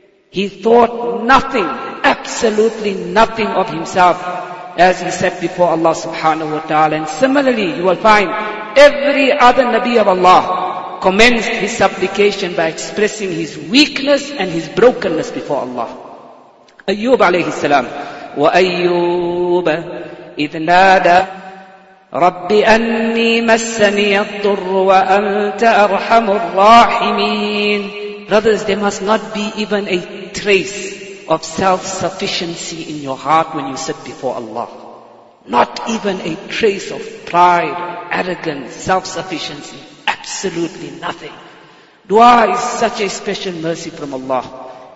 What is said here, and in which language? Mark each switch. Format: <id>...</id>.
<en>He thought nothing, absolutely nothing of himself as he sat before Allah subhanahu wa ta'ala. And similarly, you will find every other Nabi of Allah commenced his supplication by expressing his weakness and his brokenness before Allah. Ayyub alayhi salam.</en> <ar>Wa ayyub idh nada رَبِّ أَنِّي مَسَّنِيَ الضُّرُّ وَأَنْتَ أَرْحَمُ الرَّاحِمِينَ.</ar> <en>Brothers, there must not be even a trace of self-sufficiency in your heart when you sit before Allah. Not even a trace of pride, arrogance, self-sufficiency. Absolutely nothing. Dua is such a special mercy from Allah.</en>